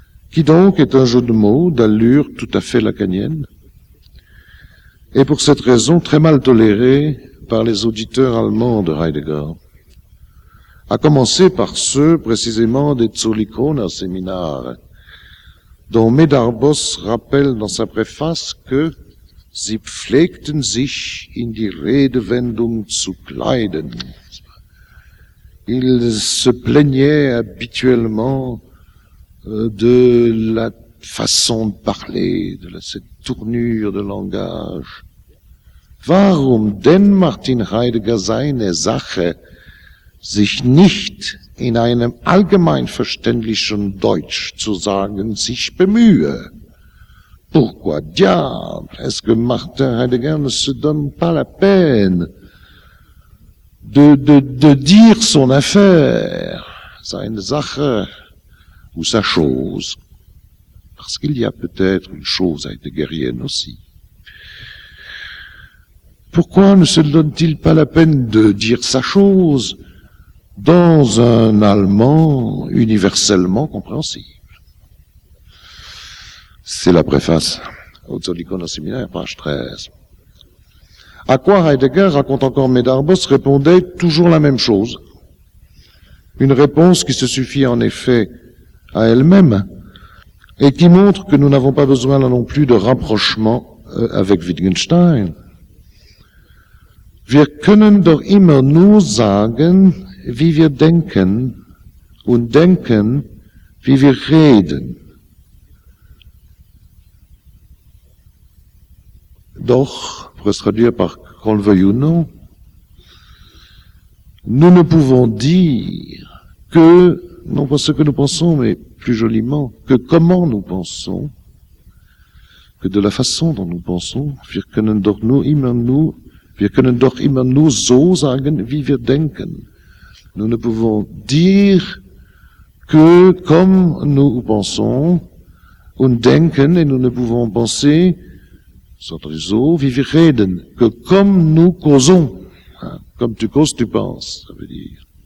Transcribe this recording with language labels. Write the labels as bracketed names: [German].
[French] qui donc est un jeu de mots d'allure tout à fait lacanienne, et pour cette raison très mal toléré par les auditeurs allemands de Heidegger, à commencer par ceux précisément des Zollikoner Seminare, dont Medard Boss rappelle dans sa préface que « [German] Sie pflegten sich in die Redewendung zu kleiden ». [French] Ils se plaignaient habituellement de la façon de parler, de cette tournure de langage. [German] Warum denn Martin Heidegger seine Sache sich nicht in einem allgemeinverständlichen Deutsch zu sagen, sich bemühe? [French] Pourquoi diable est-ce que Martin Heidegger ne se donne pas la peine de dire son affaire, [German] seine Sache [French] ou sa chose? Parce qu'il y a peut-être une chose heideggerienne aussi. Pourquoi ne se donne-t-il pas la peine de dire sa chose dans un allemand universellement compréhensible? C'est la préface au Zollikoner Seminare, page 13. À quoi Heidegger, raconte encore Medard Boss, répondait toujours la même chose. Une réponse qui se suffit en effet à elle-même et qui montre que nous n'avons pas besoin là non plus de rapprochement avec Wittgenstein. [German] Wir können doch immer nur sagen, wie wir denken und denken, wie wir reden. [French] Doch, pour se traduire par qu'on le veuille ou non, nous ne pouvons dire que, non pas ce que nous pensons, mais plus joliment, que comment nous pensons, que de la façon dont nous pensons, [German] wir können doch nur immer [French] nous. [German] Wir können doch immer nur so sagen, wie wir denken. [French] Nous ne pouvons dire que comme nous pensons, [German] und denken, [French] et nous ne pouvons penser, sotriso, [German] wie wir reden, [French] que comme nous causons. Comme tu causes, tu penses, ça veut dire.